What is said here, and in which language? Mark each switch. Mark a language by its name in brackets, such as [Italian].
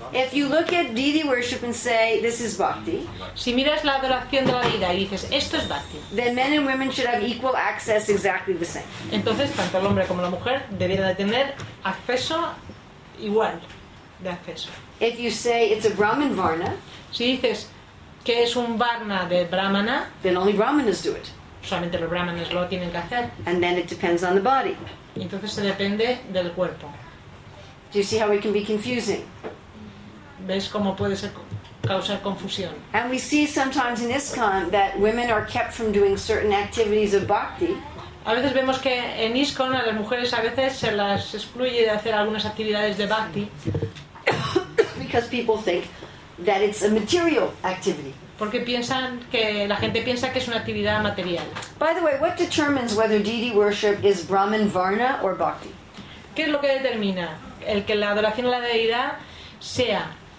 [English] If you look at deity worship and say this is bhakti, [Spanish] si miras la adoración de la deidad y dices esto es bhakti, [English] then men and women should have equal access, exactly the same. [Spanish] Entonces tanto el hombre como la mujer deberían de tener acceso igual de acceso. [English] If you say it's a brahman varna. [Spanish] Si dices que es un varna de brahmana, [English] then only brahmanas do it. [Spanish] Solamente los brahmanas lo tienen que hacer. [English] And then it depends on the body. [Spanish] Y entonces se depende del cuerpo. [English] Do you see how it can be confusing? [Spanish] ¿Ves cómo puede ser causar confusión? [English] And we see sometimes in ISKCON that women are kept from doing certain activities of bhakti. [Spanish] A veces vemos que en ISKCON a las mujeres a veces se las excluye de hacer algunas actividades de bhakti. [English] Because people think that it's a material activity. [Spanish] Porque piensan que la gente piensa que es una actividad material. [English] By the way, what determines whether deity worship is Brahman Varna or Bhakti? [Spanish] ¿Qué es lo que determina el que la adoración a la deidad sea?